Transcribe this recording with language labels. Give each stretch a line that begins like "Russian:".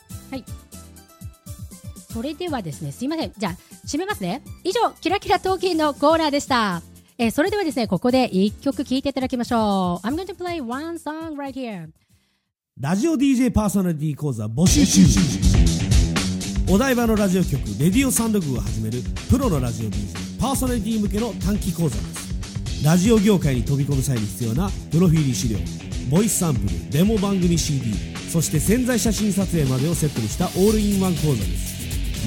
Japanese: はい、それではですね、すいません、じゃあ締めますね。以上、キラキラトーキンのコーナーでした。それではですね、ここで一曲聴いていただきましょう。
English: I'm going to play one song right here.
Japanese: ラジオ DJ パーソナリティ講座募集中。お台場のラジオ局、レディオサンドグーが始めるプロのラジオ DJ パーソナリティ向けの短期講座です。ラジオ業界に飛び込む際に必要なプロフィール資料、ボイスサンプル、デモ番組 CD、そして宣材写真撮影までをセットにしたオールインワン講座です。